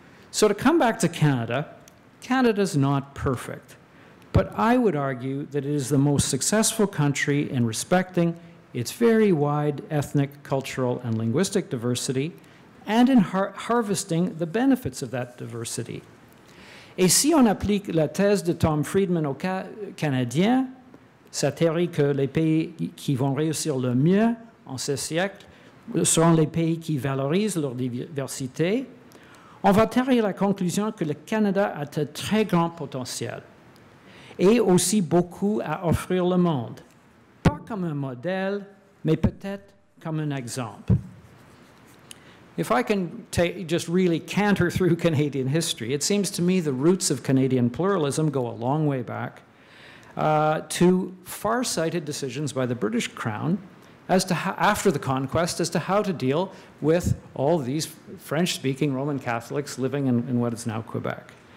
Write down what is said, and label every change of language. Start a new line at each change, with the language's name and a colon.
English: So to come back to Canada, Canada's not perfect, but I would argue that it is the most successful country in respecting its very wide ethnic, cultural, and linguistic diversity, and in harvesting the benefits of that diversity.
French: Et si on applique la thèse de Tom Friedman au Canadien, sa théorie que les pays qui vont réussir le mieux en ce siècle seront les pays qui valorisent leur diversité, on va tirer la conclusion que le Canada a de très grands potentiels et aussi beaucoup à offrir le monde, pas comme un modèle, mais peut-être comme un exemple.
English: If I can just really canter through Canadian history, it seems to me the roots of Canadian pluralism go a long way back to far-sighted decisions by the British Crown as to how, after the conquest, as to how to deal with all these French-speaking Roman Catholics living in what is now Quebec.